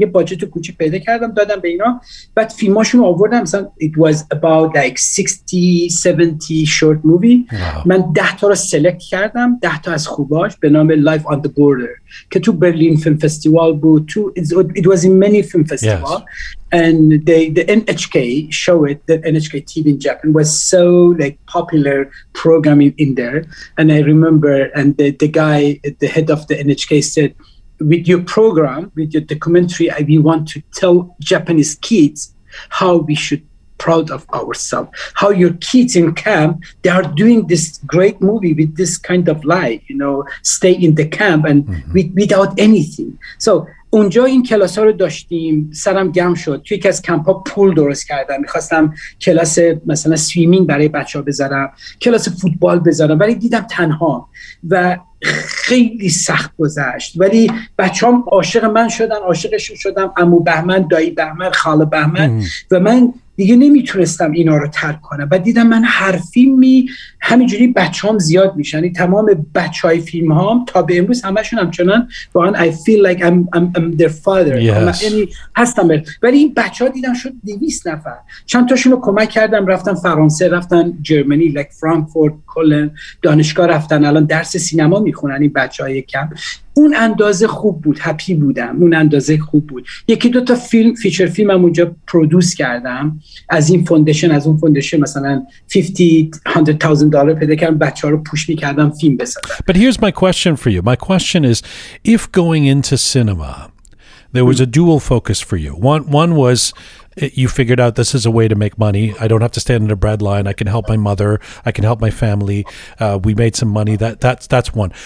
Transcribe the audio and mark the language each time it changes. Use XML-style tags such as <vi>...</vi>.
<fa>یه باجت کوچیک پیدا کردم دادم به اینا، بعد فیلماشون آوردم. مثلا</fa> <en>it was about like 60 70 short movie. Wow.</en> <fa>من 10 تا رو سلکت کردم، 10 تا از خوباش به نام Life on the Border که تو برلین فیلم فستیوال بود، تو</fa> <en>it was in many film festival.</en> <fa>Yes.</fa> <en>And the NHK show it, the NHK TV in Japan was so like popular programming in there. And I remember, and the guy, the head of the NHK said, with your program, with your documentary, we want to tell Japanese kids how we should be proud of ourselves, how your kids in camp, they are doing this great movie with this kind of life, you know, stay in the camp and mm-hmm. without anything.</en> <fa>So اونجا این کلاس ها رو داشتیم، سرم گرم شد. توی یکی از کمپ ها پول درست کردم، میخواستم کلاس مثلا سویمینگ برای بچه ها بذارم، کلاس فوتبال بذارم، ولی دیدم تنها و خیلی سخت گذشت. ولی بچه هم عاشق من شدن، عاشقشون شدم، عمو بهمن، دایی بهمن، خاله بهمن، و من دیگه نمیتونستم اینا رو ترک کنم. و دیدم من هر فیلمی همینجوری بچه هم زیاد میشن، تمام بچه های فیلم هام تا به امروز همه شون همچنان واقعا</fa> <en>I feel like I'm their father. Yes.</en> <fa>من هستم. ولی این بچه ها دیدم شد 200 نفر. چند تاشون رو کمک کردم، رفتن فرانسه، رفتن جرمنی، like فرانکفورت، کلن، دانشگاه رفتن، الان درس سینما میخونن این بچه های کم. اون اندازه خوب بود، هپی بودم، اون اندازه خوب بود. یکی دوتا فیلم، فیچر فیلم هم اونجا پرودوس کردم، از این فوندیشن، از اون فوندیشن مثلا 50-100,000 دلار پیدا کردم، بچه ها رو پوش می کردم فیلم بسازم.</fa> <en>But here's my question for you. My question is, if going into cinema, there was a dual focus for you. One was, you figured out this is a way to make money. I don't have to stand in a bread line. I can help my mother. I can help my family. We made some money. That's one.</en>